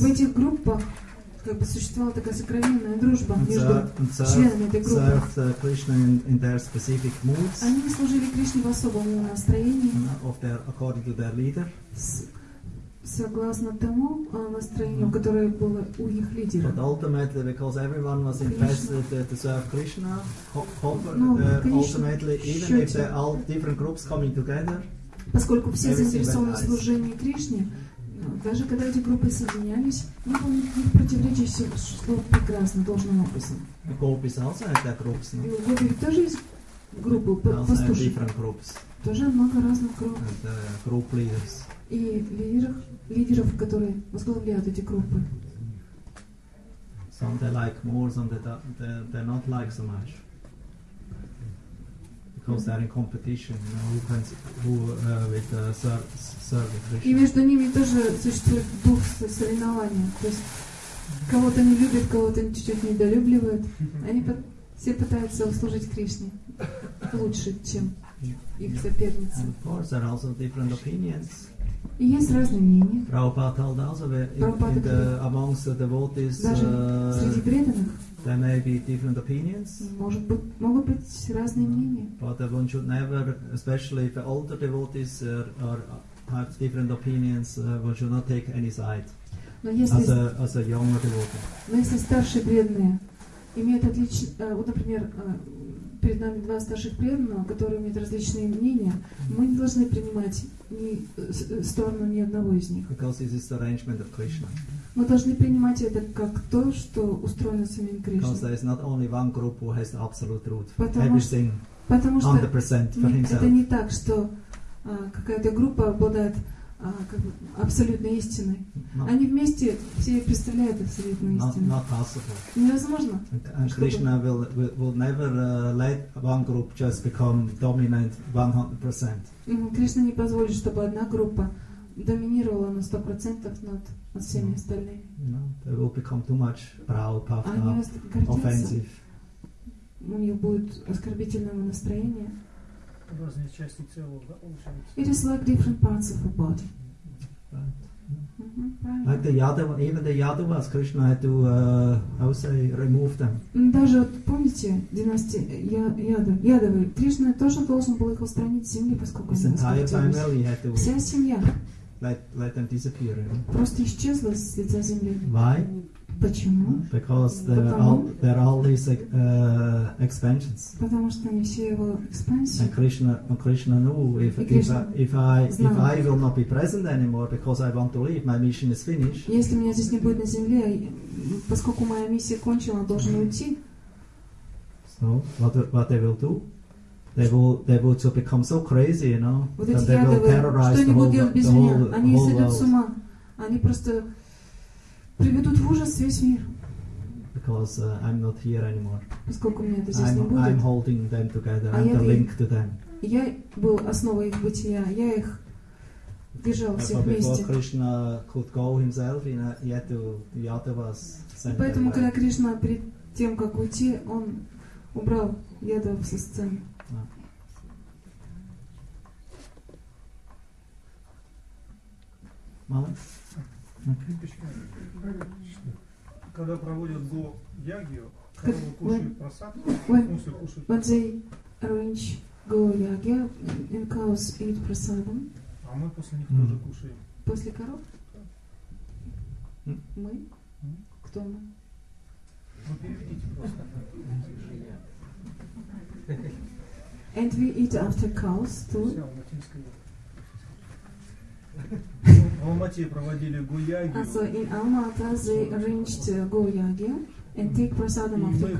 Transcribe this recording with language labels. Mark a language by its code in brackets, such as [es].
[ru] В этих группах как бы существовала такая сокровенная дружба между членами этой группы. [en] Served Krishna in their specific moods. [ru] Они служили Кришне в особом настроении. [en] According to their leader. [ru] Согласно тому настроению, которое было у их лидера. [en] But ultimately, because everyone was interested to serve Krishna, ultimately, even if they're all different groups coming together, [ru] поскольку все заинтересованы в служении Кришне, даже когда эти группы соединялись, не было никаких противоречий, все шло прекрасно, должным образом. [en] The gopis also had their groups, no? [ru] И у гопи тоже есть группы, пастушек. Тоже много разных групп. [en] And, group leaders. [ru] И лидеров, которые возглавляют эти группы. [en] Some they like more, some they not like so much. Because they're in competition, you know, serve [ru] Krishna. И между ними тоже существует дух соревнования. То есть кого-то не любят, кого-то чуть-чуть недолюбливают. Они все пытаются услужить Кришне лучше, чем их соперницы. [en] And of course, there are also different opinions. [ru] И есть разные мнения. [en] Prabhupada told us that amongst the devotees, [ru] даже среди преданных, [en] there may be different opinions. [ru] Может быть, могут быть разные мнения. [en] But one should never, especially if the older devotees have different opinions, one should not take any side. [ru] Но если [en] as a younger devotee. [ru] Но если старшие преданные имеют отличие, вот, например, перед нами два старших преданного, которые имеют различные мнения, мы не должны принимать ни сторону ни одного из них. [en] Because this is the arrangement of Krishna. [ru] Мы должны принимать это как то, что устроено самим Кришной. [en] Because there is not only one group who has the absolute truth. Everything 100% for himself. [ru] Потому что это не так, что какая-то группа обладает абсолютной истиной. Они вместе все представляют абсолютную истину. [en] Not possible. [ru] Невозможно. [en] And Krishna will never let one group just become dominant 100%. [ru] Кришна не позволит, чтобы одна группа доминировала на 100% над всеми остальными. [en] No, they will become too much proud, puffed up, offensive. [ru] У них будет оскорбительное настроение. Разные части целого. [en] It is like different parts of a body. Right. Mm-hmm. Like the Yadava, even the Yadavas, Krishna had to, remove them. [ru] Даже вот помните династии Ядовы, Кришна тоже должен был их устранить семьи, поскольку они оскорбились. Вся семья. [en] Let them disappear. You know? [ru] Просто исчезла с лица земли. [en] Why? [ru] Почему? [en] Because they're all these expansions. [ru] Потому что они все его expansions. [en] And Krishna knew if I will not be present anymore because I want to leave, my mission is finished. [ru] Если меня здесь не будет на земле, поскольку моя миссия кончена, должен уйти. [en] So what they will do? They will to become so crazy, you know, вот that they will terrorize the whole world. [ru] Они сойдут с ума. Они просто приведут в ужас весь мир. [en] Because I'm not here anymore. [ru] Поскольку меня это здесь не будет. [en] I'm holding them together. I'm the link to them. [ru] Я был основой их бытия. Я их держал всех вместе. [en] Before Krishna could go himself, he had to the Yadavas. [ru] Поэтому когда Кришна перед тем как уйти, он убрал Ядов со сцены. Мало? Когда проводят го ягью, коровы кушают просаду. [en] When they arrange go yagya and cows eat prasadam. [ru] А мы после них тоже кушаем. После коров? Мы? Кто мы? Вы переведите просто. [en] And we eat after cows too. [ru] В Алмате проводили гуяги. [en] So in Almaty they arranged гуяги and take prasadam after cows.